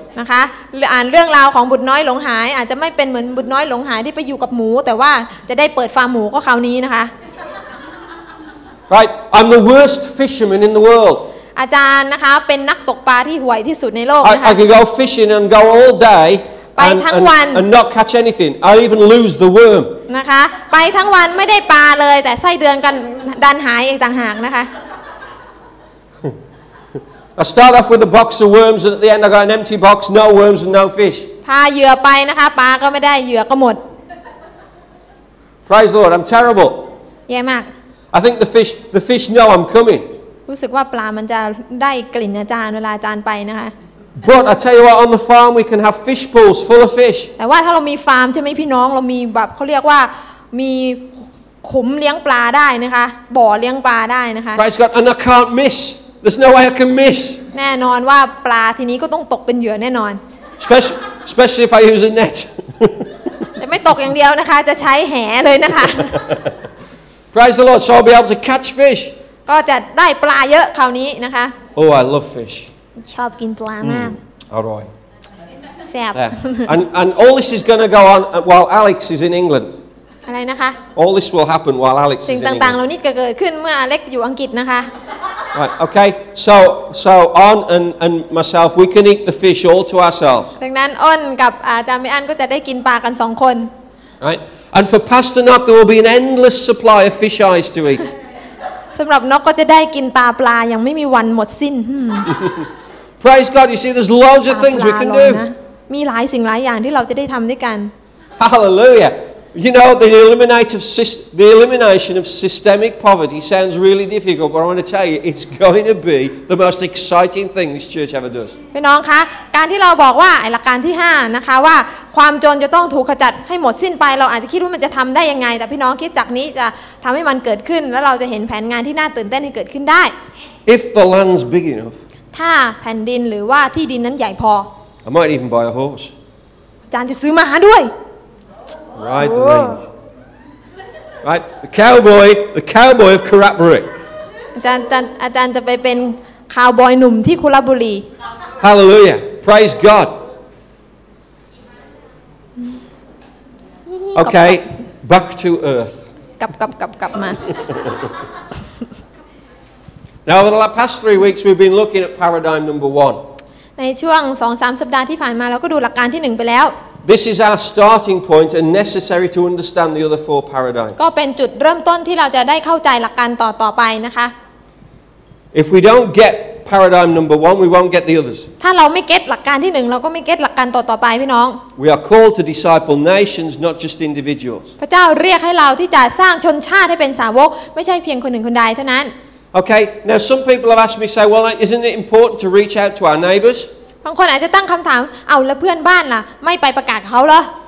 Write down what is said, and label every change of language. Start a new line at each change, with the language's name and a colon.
Thai: นะคะอ่านเรื่องราวของบุตรน้อยหลงหายอาจจะไม่เป็นเหมือนบุตรน้อยหลงหายที่ไปอยู่กับหมูแต่ว่าจะได้เปิดฟาร์มหมูก็คราวนี้นะคะ
English: Right. I'm the worst fisherman in the world.
Thai: อาจารย์นะคะเป็นนักตกปลาที่ห่วยที่สุดในโลกนะคะ
English: I can go fishing and go all day
Thai: ไปทั้งวัน
English: and not catch anything I even lose the worm
Thai: นะคะไปทั้งวันไม่ได้ปลาเลยแต่ไส้เดือนกันดันหายอีกต่างหากนะคะ
English: I start off with a box of worms and at the end I got an empty box no worms and no fish
Thai: พาเหยื่อไปนะคะปลาก็ไม่ได้เหยื่อก็หมด
English: Praise Lord I'm terrible
Thai: แย่มาก
English: I think the fish know I'm coming
Thai: รู้สึกว่าปลามันจะได้กลิ่นอาจารย์เวลาอาจารย์ไปนะคะ
English: But I tell you what on the farm we can have fish pools full of fish
Thai: แต่ว่าถ้าเรามีฟาร์มใช่ไหมพี่น้องเรามีแบบเขาเรียกว่ามีขุมเลี้ยงปลาได้นะคะบ่อเลี้ยงปลาได้นะคะ
English: Praise God and I can't miss there's no way I can miss
Thai: แน่นอนว่าปลาทีนี้ก็ต้องตกเป็นเหยื่อแน่นอน
English: especially if I use a net
Thai: แต่ไม่ตกอย่างเดียวนะคะจะใช้แหเลยนะคะ
English: Praise the Lord so I'll be able to catch fish
Thai: ก็จะได้ปลาเยอะคราวนี้นะคะ
English: Oh I love fish
Thai: ชอบกินปลามาก อร่อย แซ่บ
English: And all this is going to go on while Alex is in England
Thai: อะไรนะคะ
English: All this will happen while Alex is in England
Thai: สิ่งต่างๆเหล่านี้เกิดขึ้นเมื่ออเล็กอยู่อังกฤษนะคะ
English: Right okay so on and myself we can eat the fish all to ourselves
Thai: ดังนั้นอ้นกับอาจารย์มิอันก็จะได้กินปลากัน2คน
English: Right and for Pastor Nock there will be an endless supply of fish eyes to eat
Thai: สำหรับนกก็จะได้กินตาปลายังไม่มีวันหมดสิ้น
English: Praise God you see there's loads of things we can do
Thai: มีหลายสิ่งหลายอย่างที่เราจะได้ทำด้วยกัน
English: Hallelujah you know the elimination of systemic poverty sounds really difficult but I want to tell you it's going to be the most exciting thing this church ever does
Thai: พี่น้องคะการที่เราบอกว่าหลักการที่5นะคะว่าความจนจะต้องถูกขจัดให้หมดสิ้นไปเราอาจจะคิดว่ามันจะทำได้ยังไงแต่พี่น้องคิดจากนี้จะทำให้มันเกิดขึ้นแล้วเราจะเห็นแผนงานที่น่าตื่นเต้นให้เกิดขึ้นได้
English: If the land's big enough
Thai: ถ้าแผ่นดินหรือว่าที่ดินนั้นใหญ่พอ
English: I might even buy a horse
Thai: อาจารย์จะซื้อม้าด้วย
English: Ride the range. Right, the cowboy of Kurupri.
Thai: อาจารย์จะไปเป็นคาวบอยหนุ่มที่คุรบุรี
English: Hallelujah. Praise God. Okay, back to earth.
Thai: กลับมา
English: Now, over the past 3 weeks, we've been looking at paradigm number 1.
Thai: ในช่วง 2-3 สัปดาห์ที่ผ่านมาเราก็ดูหลักการที่1ไปแล้ว
English: This is our starting point and necessary to understand the other 4 paradigms.
Thai: ก็เป็นจุดเริ่มต้นที่เราจะได้เข้าใจหลักการต่อไปนะคะ
English: If we don't get paradigm number 1, we won't get the others.
Thai: ถ้าเราไม่เก็ทหลักการที่1เราก็ไม่เก็ทหลักการต่อไปพี่น้อง
English: We are called to disciple nations not just individuals.
Thai: พระเจ้าเรียกให้เราที่จะสร้างชนชาติให้เป็นสาวกไม่ใช่เพียงคนหนึ่งคนใดเท่านั้น
English: Okay, now some people have asked me say well isn't it important to reach out to our neighbors?
Thai: บางคนอาจจะตั้งคำถามเอาแล้วเพื่อนบ้านล่ะไม่ไปประกาศเขาเหรอ